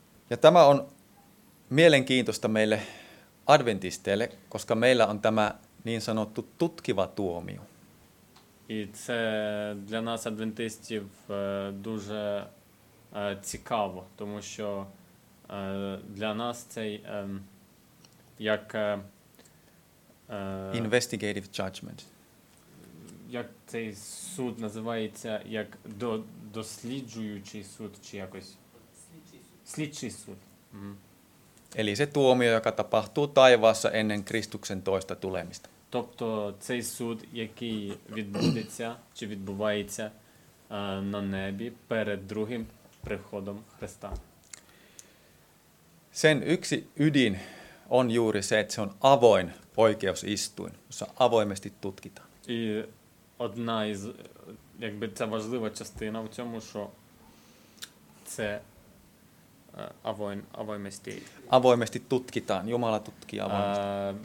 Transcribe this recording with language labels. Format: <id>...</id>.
<fi>Ja tämä on mielenkiintoista meille adventisteille, koska meillä on tämä niin sanottu tutkiva tuomio.</fi> <uk>І це для нас, адвентистів, дуже цікаво, тому що для нас цей як</uk> <en>investigative judgment.</en> <uk>Як цей суд називається, як досліджуючий суд чи якось? Слідчий суд.</uk> <fi>Eli se tuomio, joka tapahtuu taivaassa ennen Kristuksen toista tulemista.</fi> <uk>Тобто цей суд, який відбудеться чи відбувається на небі перед другим приходом Христа.</uk> <fi>Sen yksi ydin on juuri se, että se on avoin oikeusistuin, jossa avoimesti tutkitaan.</fi> <uk>І одна із, якби, це важлива частина в цьому, що це</uk> <fi>avoimesti. Avoimesti tutkitaan, Jumala tutkii avoimesti.</fi>